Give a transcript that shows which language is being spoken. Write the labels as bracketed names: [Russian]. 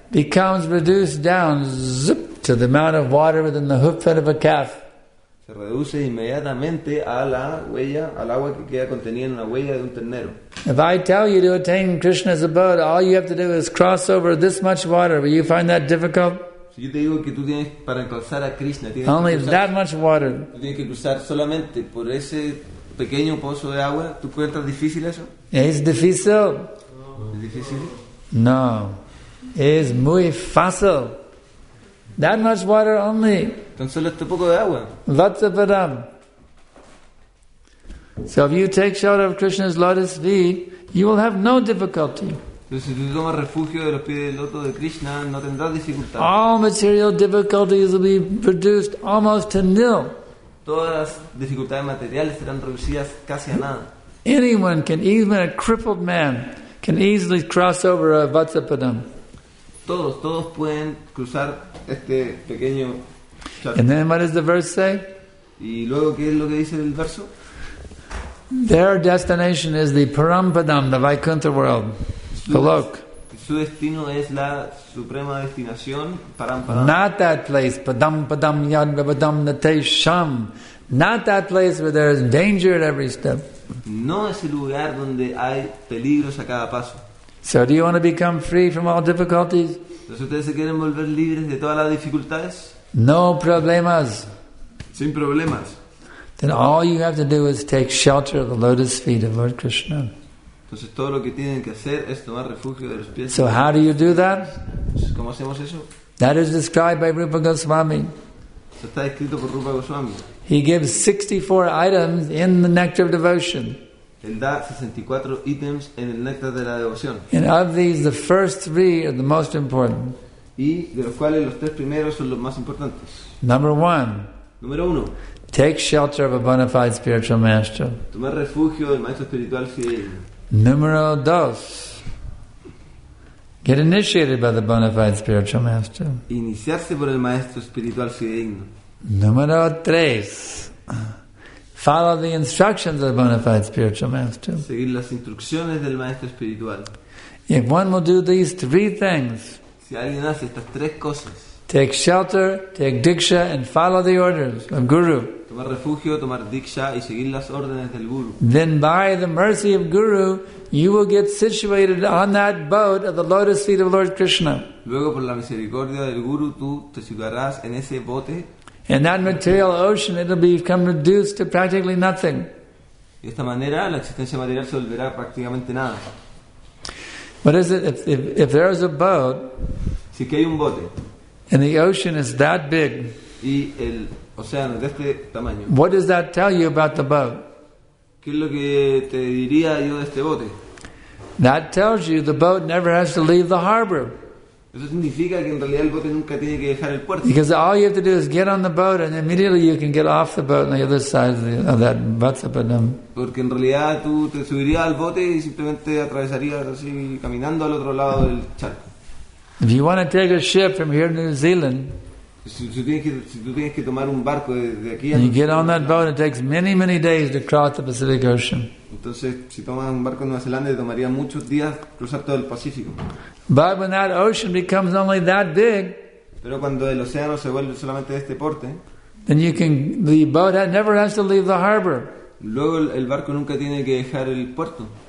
[English] becomes reduced down, zip, to the amount of water within the hoofprint of a calf. [Spanish] Se reduce inmediatamente a la huella, al agua que queda contenida en la huella de un ternero. [English] If I tell you to attain Krishna's abode, all you have to do is cross over this much water. Will you find that difficult? [Spanish] Si yo te digo que tú tienes para alcanzar a Krishna, tienes [English] only [Spanish] que cruzar, [English] that much water. [Spanish] Tú tienes que cruzar solamente por ese pequeño pozo de agua. ¿Tú encuentras difícil eso? Es difícil. ¿Es difícil? No. Es muy fácil. [English] That much water only. [Spanish] Tan solo este poco de agua. [Sanskrit] Vatsaparam. [English] So if you take shelter of Krishna's lotus feet, you will have no difficulty. [Spanish] Si tú tomas refugio de los pies del loto de Krishna, no tendrás dificultad. [English] All material difficulties will be reduced almost to nil. [Spanish] Todas las dificultades materiales serán reducidas casi a nada. [English] Anyone can, even a crippled man, can easily cross over a Vatsaparam. [Spanish] Todos pueden cruzar este pequeño. [English] And then what does the verse say? [Spanish] ¿Y luego qué es lo que dice el verso? [English] Their destination is the Parampadam, the Vaikuntha world, the Lok. [Spanish] Su destino es la suprema destinación, Parampadam. [English] Not that place, [Sanskrit] Padam Padam Yadva Padam Nate Sham. [English] Not that place where there is danger at every step. [Spanish] No es el lugar donde hay peligros a cada paso. [English] So do you want to become free from all difficulties? [Spanish] ¿Entonces ustedes se quieren volver libres de todas las dificultades? No problemas. Sin problemas. [English] Then all you have to do is take shelter of the lotus feet of Lord Krishna. [Spanish] Entonces todo lo que tienen que hacer es tomar refugio de los pies. [English] So how do you do that? [Spanish] ¿Cómo hacemos eso? [English] That is described by Rupa Goswami. [Spanish] Eso está escrito por Rupa Goswami. [English] He gives 64 items in the Nectar of Devotion. [Spanish] Él da 64 ítems en el néctar de la devoción. [English] And of these, the first three are the most important. [Spanish] Y de los cuales los tres primeros son los más importantes. [English] Number one. [Spanish] Número uno. [English] Take shelter of a bona fide spiritual master. [Spanish] Tomar refugio del maestro espiritual fiel. Número dos. [English] Get initiated by the bona fide spiritual master. [Spanish] Iniciarse por el maestro espiritual fidedigno. Número tres. [English] Follow the instructions of the bona fide spiritual master. [Spanish] Seguir las instrucciones del maestro espiritual. [English] If one will do these three things, [Spanish] si alguien hace estas tres cosas, [English] take shelter, take diksha, and follow the orders of Guru. [Spanish] Tomar refugio, tomar diksha, y seguir las órdenes del Guru. [English] Then by the mercy of Guru, you will get situated on that boat of the lotus feet of Lord Krishna. [Spanish] Luego por la misericordia del Guru, tú te situarás en ese bote. [English] And that material ocean, it'll become reduced to practically nothing. [Spanish] De esta manera, la existencia material se volverá prácticamente nada. [English] What is it, if there is a boat, [Spanish] si que hay un bote, [English] and the ocean is that big, [Spanish] y el océano de este tamaño, [English] what does that tell you about the boat? [Spanish] ¿Qué es lo que te diría yo de este bote? [English] That tells you the boat never has to leave the harbor. [Spanish] Eso significa que en realidad el bote nunca tiene que dejar el puerto. [English] Because all you have to do is get on the boat and immediately you can get off the boat on the other side of that Vatsapadam. [Spanish] Porque en realidad tú te subirías al bote y simplemente atravesarías así caminando al otro lado del charco. [English] If you want to take a ship from here to New Zealand, and you get on that boat, it takes many, many days to cross the Pacific Ocean. [Spanish] Entonces, si tomas un barco en Nueva Zelanda, te tomaría muchos días cruzar todo el Pacífico. [English] But when that ocean becomes only that big, [Spanish] pero cuando el océano se vuelve solamente de este porte, [English] then you can, the boat never has to leave the harbor. [Spanish] Luego el barco nunca tiene que dejar el puerto.